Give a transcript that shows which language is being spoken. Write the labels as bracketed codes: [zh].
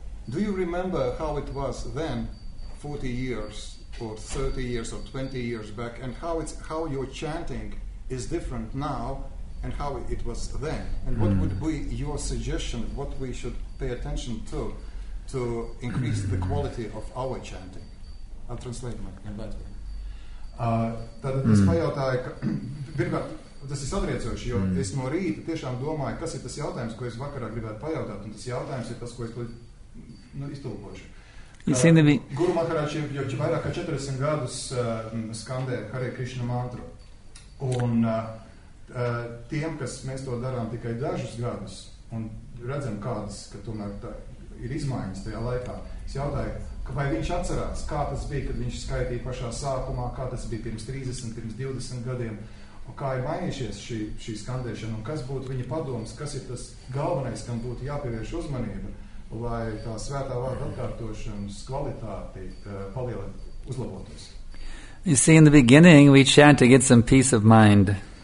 [en] Do you remember how it was then, 40 years or 30 years or 20 years back, and how your chanting is different now and how it was then? And what would be your suggestion, what we should pay attention to increase the quality of our chanting? I'll translate my better. [lv] Tātad es pajautāju, ka, pirmkārt, tas ir satriecoši, jo es no rīta tiešām domāju, kas ir tas jautājums, ko es vakarā gribētu pajautāt, un tas jautājums ir tas, ko es iztulkošu. Guru Maharaj jau vairāk kā 40 gadus skandē Hare Krishna mantru, un tiem, kas mēs to darām tikai dažus gadus un redzam kādas, ka tomēr tā ir izmaiņas tajā laikā, es jautāju, ka vai viņš atcerās, kā tas bija, kad viņš skaitīja pašā sākumā, kā tas bija pirms 30, pirms 20 gadiem, un kā ir mainījušies šī skandēšana, un kas būtu viņa padoms, kas ir tas galvenais, kam būtu jāpievērš uzmanība, lai tā svētā vārda atkārtošanas kvalitāti palielētu uzlabotos. [en] You see, in the beginning, we chant to get some peace of mind.